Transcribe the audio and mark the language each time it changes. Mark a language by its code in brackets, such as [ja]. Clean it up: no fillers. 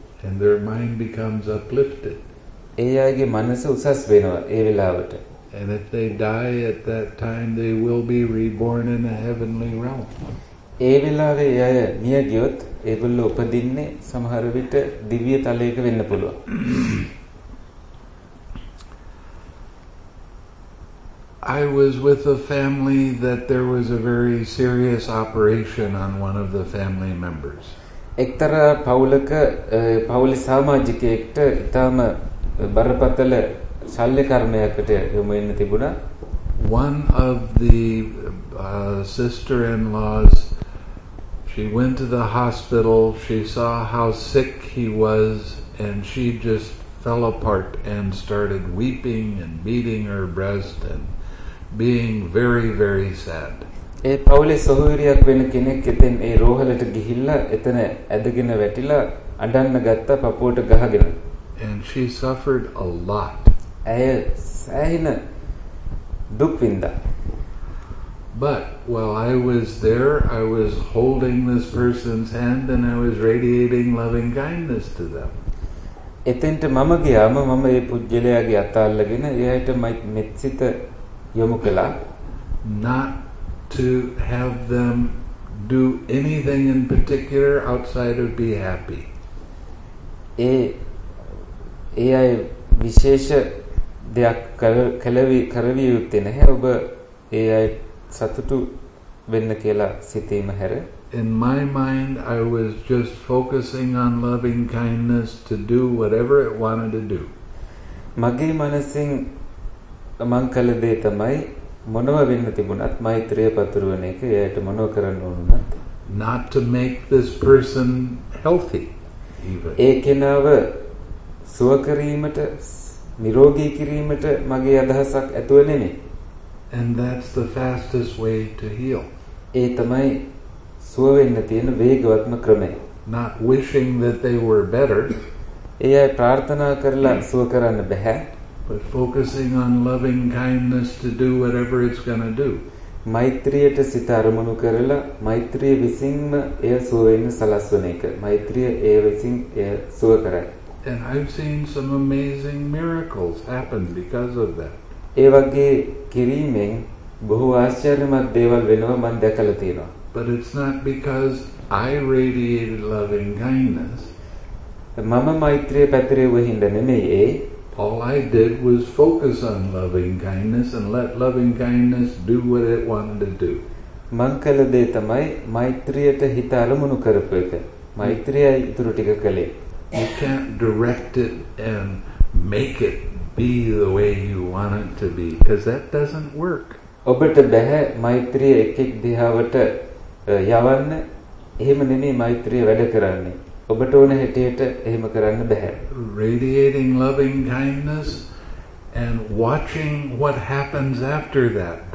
[en] And their mind becomes uplifted. [si] ඒ අයගේ මනස උසස් වෙනවා ඒ වෙලාවට. [en] And if they die at that time, they will be reborn in a heavenly realm. [si] ඒ වෙලාවේ එය මිය ගියොත් ඒගොල්ලෝ උපදින්නේ සමහර විට දිව්‍ය තලයක වෙන්න පුළුවන්. [en] I was with a family that there was a very serious operation on one of the family members. [si] එක්තරා පවුලක පවුලේ සමාජිකයෙක්ට ඉතාම බරපතල ශල්‍ය කර්මයකට යොමු වෙන්න තිබුණා. [en] One of the sister-in-laws, she went to the hospital, she saw how sick he was, and she just fell apart and started weeping and beating her breast and being very, very sad. [si] ඒ පවුලේ සහෝදරියක් වෙන කෙනෙක් එතෙන් ඒ රෝහලට ගිහිල්ලා එතන ඇදගෙන වැටිලා අඬන්න ගත්ත පපුවට ගහගෙන. [en] And she suffered a lot. [si] ඇය සෑහෙන දුක් විඳා. [en] But while I was there, I was holding this person's hand and I was radiating loving kindness to them. [si] එතෙන්ට මම ගියාම මම මේ පුජ්‍යලයාගේ අත අල්ලගෙන එයාට මෙත්සිත යොමු කළා. [en] Not to have them do anything in particular outside of be happy. [si] ඒ අය විශේෂ දෙයක් කරවිය යුත්තේ නැහැ ඔබ ඒ අය සතුටු වෙන්න කියලා සිතීම හැර. [en] In my mind, I was just focusing on loving kindness to do whatever it wanted to do. [si] මගේ මනසින් මං කළ දේ තමයි මොනව වෙන්න තිබුණත් මෛත්‍රිය පතුරවන එක එයට මොනව කරන්න ඕනත්. [en] Not to make this person healthy even. [si] ඒ කෙනාව සුව කිරීමට නිරෝගී කිරීමට මගේ අදහසක් ඇතුව නෙමෙයි. [en] And that's the fastest way to heal. [si] ඒ තමයි සුව වෙන්න තියෙන වේගවත්ම ක්‍රමය. [en] Not wishing that they were better. [si] එය ප්‍රාර්ථනා කරලා සුව කරන්න බෑ. [en] But focusing on loving kindness to do whatever it's going to do. [si] මෛත්‍රියට සිත අරමුණු කරලා මෛත්‍රිය විසින්ම එය සුව වෙන සලස්වන එක. මෛත්‍රිය ඒ විසින් එය සුව කරයි. [en] And I've seen some amazing miracles happen because of that. [si] ඒ වගේ කිරීමෙන් බොහෝ ආශ්චර්යමත් දේවල් වෙනවා මම දැකලා තියෙනවා. [en] But it's not because I radiated loving kindness. [si] මම මෛත්‍රිය පැතිරෙව්වෙ හින්ද නෙමෙයි ඒ. [en] All I did was focus on loving kindness and let loving kindness do what it wanted to do. [si] මං කළ දේ තමයි මෛත්‍රියට හිත අරමුණු කරපු එක. මෛත්‍රියයි ඉතුරු ටික කළේ. [en] You can't direct it and make it be the way you want it to be because that doesn't work. [si] ඔබට බෑ මෛත්‍රිය එක එක් දිහාවට යවන්න. එහෙම නෙමෙයි මෛත්‍රිය වැඩ කරන්නේ. ඔබට ඕන හැටියට එහෙම කරන්න බෑ. [en] Radiating loving kindness and watching what happens after that.